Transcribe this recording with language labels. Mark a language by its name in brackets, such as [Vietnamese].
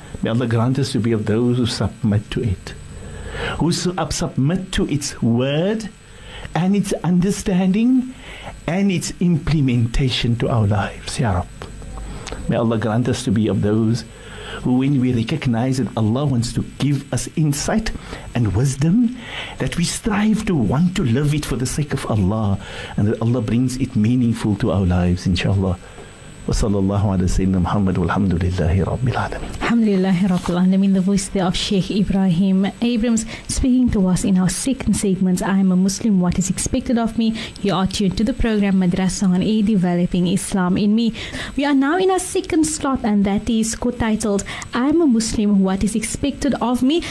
[English] May Allah grant us to be of those who submit to it, who submit to its word and its understanding and its implementation to our lives. Ya Rab. May Allah grant us to be of those who, when we recognize that Allah wants to give us insight and wisdom, that we strive to want to live it for the sake of Allah, and that Allah brings it meaningful to our lives, inshallah. [Arabic] وصلى الله على سيدنا محمد والحمد لله رب العالمين الحمد لله رب العالمين [English] The voice of Sheikh Ibrahim Abrams speaking to us in our second segment I am a Muslim, what is expected of me? You are tuned to the program Madrasa on A Developing Islam in Me We are now in our second slot and that is co-titled I am a Muslim, what is expected of me?